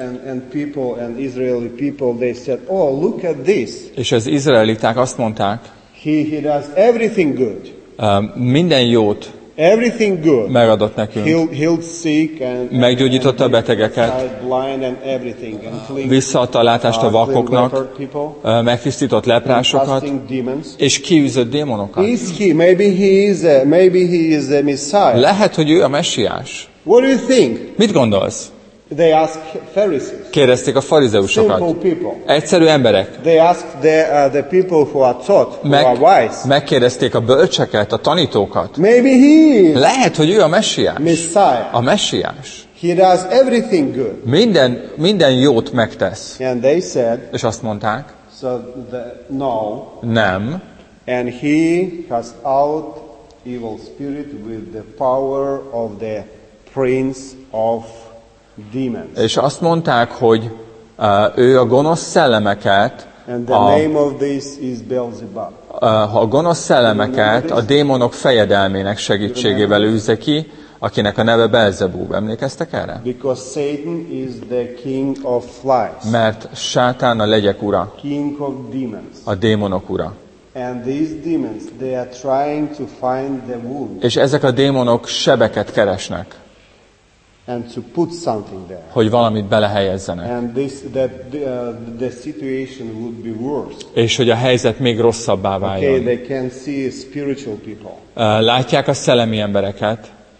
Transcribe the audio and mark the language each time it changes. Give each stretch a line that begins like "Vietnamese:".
English: And people and Israeli people they said, oh look at this.
Hungarian: És az izraeliták azt mondták.
English: He does everything good.
Hungarian: Minden jót.
English: Everything good.
Hungarian: Megadott nekünk.
English: Healed sick and.
Hungarian: Meggyógyította a betegeket.
English: Blind and everything and clean.
Hungarian: Visszaadta a látást a vakoknak. Megtisztított leprásokat. És kiűzött démonokat.
English: Is he? Maybe he is the Messiah.
Hungarian: Lehet, hogy ő a Messiás.
English: What do you think?
Hungarian: Mit gondolsz?
English: They ask Pharisees.
Hungarian: Kérdezték a farizeusokat.
English: Simple people.
Hungarian: Egyszerű emberek.
English: They ask the people who are taught, who are wise.
Hungarian: Megkérdezték a bölcseket, a tanítókat.
English: Maybe he is.
Hungarian: Lehet, hogy ő a Messiás.
English: Messiah.
Hungarian: A Messiás.
English: He does everything good.
Hungarian: Minden jót megtesz.
English: And they said.
Hungarian: És azt mondták.
English: So no.
Hungarian: Nem.
English: And he cast out evil spirit with the power of the prince of demons.
Hungarian: És azt mondták, hogy ő a gonosz szellemeket.
English: And the name of this is Beelzebub.
Hungarian: A gonosz szellemeket a démonok fejedelmének segítségével űzze ki, akinek a neve Beelzebub. Emlékeztek erre?
English: Because Satan is the king of flies.
Hungarian: Mert Sátán a legyek ura.
English: King of demons.
Hungarian: A démonok ura.
English: And these demons, they are trying to find the wound.
Hungarian: És ezek a démonok sebeket keresnek.
English: and to put something there.
Hungarian: Hogy valamit belehelyezzenek.
English: And the situation would be worse.
Hungarian: És hogy a helyzet még rosszabbá váljon.
English: Okay, they can see spiritual people.
Hungarian: Látják a szellemi embereket.